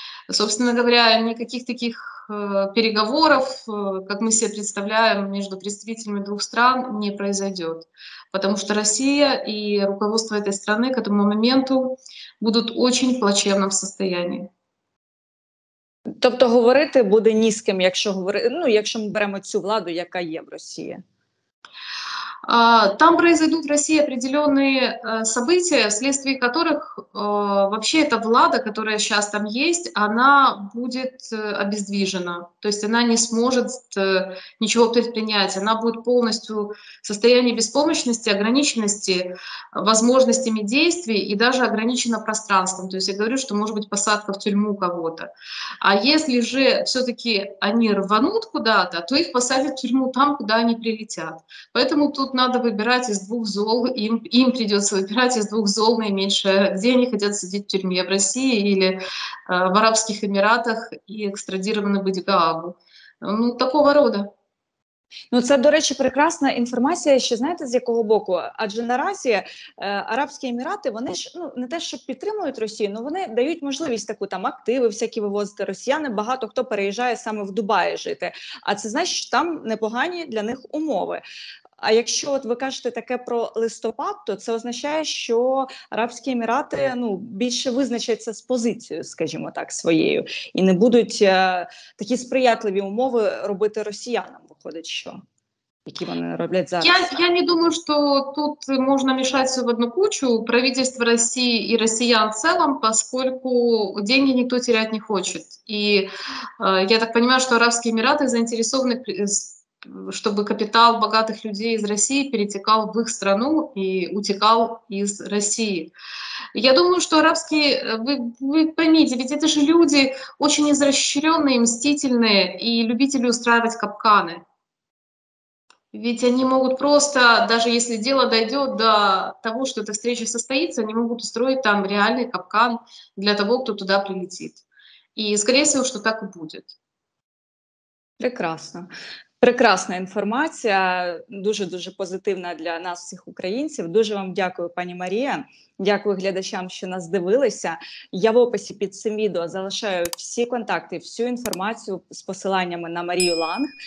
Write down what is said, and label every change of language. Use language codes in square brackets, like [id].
[ru] Собственно говоря, никаких таких переговоров, как мы себе представляем, между представителями двух стран не произойдет. Потому что Россия и руководство этой страны к этому моменту будут очень в плачевном состоянии. [uk] Тобто говорити буде ні з ким, якщо говорити, ну, якщо ми беремо цю владу, яка є в Росії. [ru] Там произойдут в России определенные события, вследствие которых вообще эта влада, которая сейчас там есть, она будет обездвижена. То есть она не сможет ничего предпринять. Она будет полностью в состоянии беспомощности, ограниченности возможностями действий и даже ограничена пространством. То есть я говорю, что может быть посадка в тюрьму кого-то. А если же все-таки они рванут куда-то, то их посадят в тюрьму там, куда они прилетят. Поэтому тут надо выбирать из двух зол, им придется выбирать из двух зол наименьшее, где они хотят сидеть в тюрьме, в России или в Арабских Эмиратах и экстрадированы быть в Гаагу. Ну, такого рода. [uk] Ну, це, до речі, прекрасна інформація, ще знаєте, з якого боку? Адже наразі Арабські Емірати, вони ж, ну, не те, що підтримують Росію, але вони дають можливість таку там активи всякі вивозити. Росіяни багато хто переїжджає саме в Дубаї жити. А це значить, що там непогані для них умови. А якщо от ви кажете таке про листопад, то це означає, що Арабські Емірати, ну, більше визначаться з позицією, скажімо так, своєю, і не будуть такі сприятливі умови робити росіянам, виходить, що? які вони роблять зараз. Я не думаю, що тут можна мішати все в одну кучу, правительство Росії і росіян в цілому, оскільки гроші ніхто теряти не хоче. І я так розумію, що Арабські Емірати заінтересовані, [ru] чтобы капитал богатых людей из России перетекал в их страну и утекал из России. Я думаю, что арабские, вы поймите, ведь это же люди очень изощренные, мстительные и любители устраивать капканы. Ведь они могут просто, даже если дело дойдет до того, что эта встреча состоится, они могут устроить там реальный капкан для того, кто туда прилетит. И, скорее всего, что так и будет. Прекрасно. [uk] Прекрасна інформація, дуже-дуже позитивна для нас всіх українців. Дуже вам дякую, пані Марія. Дякую глядачам, що нас дивилися. Я в описі під цим відео залишаю всі контакти, всю інформацію з посиланнями на Марію Ланг.